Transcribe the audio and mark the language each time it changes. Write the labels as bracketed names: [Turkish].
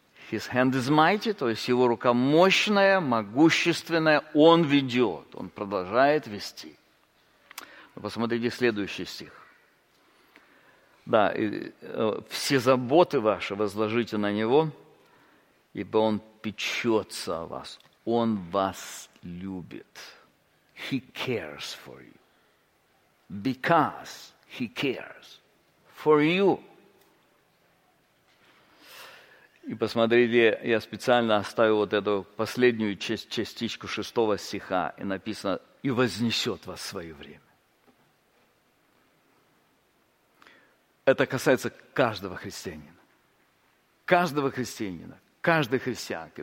[English] His hand is mighty, [Russian] то есть его рука мощная, могущественная, Он ведет, Он продолжает вести. Посмотрите следующий стих. Да, и все заботы ваши возложите на Него, ибо Он печется о вас, Он вас любит. [English] He cares for you, because He cares for you. [Russian] И посмотрите, я специально оставил вот эту последнюю частичку шестого стиха, и написано, и вознесет вас в свое время. Это касается каждого христианина. Каждого христианина, каждой христианки.